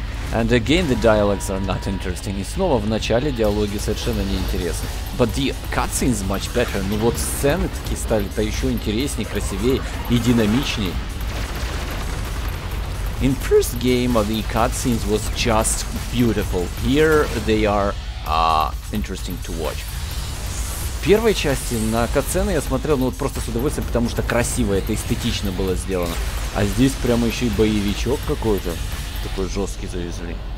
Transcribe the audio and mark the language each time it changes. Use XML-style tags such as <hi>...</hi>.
<en>And again the dialogues are not interesting.</en> <ru>И снова в начале диалоги совершенно неинтересны.</ru> <en>But the cutscenes much better.</en> <ru>Ну вот сцены такие стали то еще интереснее, красивее и динамичнее.</ru> <en>In first game the cutscenes was just beautiful. Here they are interesting to watch.</en> <ru>В первой части на катсцены я смотрел, ну вот просто с удовольствием, потому что красиво, это эстетично было сделано. А здесь прямо еще и боевичок какой-то. Такой жесткий завезли.</ru>